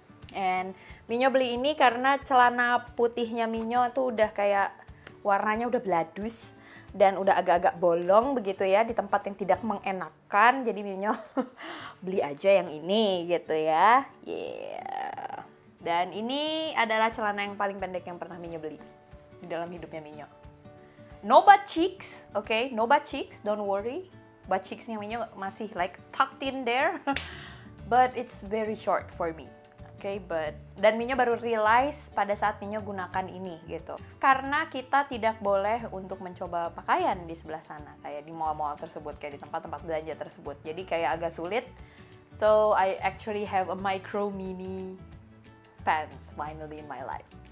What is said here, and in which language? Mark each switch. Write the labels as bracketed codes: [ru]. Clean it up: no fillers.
[id] And Minyo beli ini karena celana putihnya Minyo tuh udah kayak warnanya udah bladus dan udah agak-agak bolong begitu ya, di tempat yang tidak mengenakan. Jadi Minyo beli aja yang ini gitu ya. Yeah. Dan ini adalah celana yang paling pendek yang pernah Minyo beli di dalam hidupnya Minyo. [en] No butt cheeks, okay? No butt cheeks, don't worry. [id] Butt cheeksnya Minyo masih [en] like tucked in there. But it's very short for me. [id] Okay, but dan Minyo baru realize pada saat Minyo gunakan ini gitu. Karena kita tidak boleh untuk mencoba pakaian di sebelah sana, kayak di mall-mall tersebut, kayak di tempat-tempat belanja tersebut. Jadi kayak agak sulit. [en] So I actually have a micro mini pants finally in my life.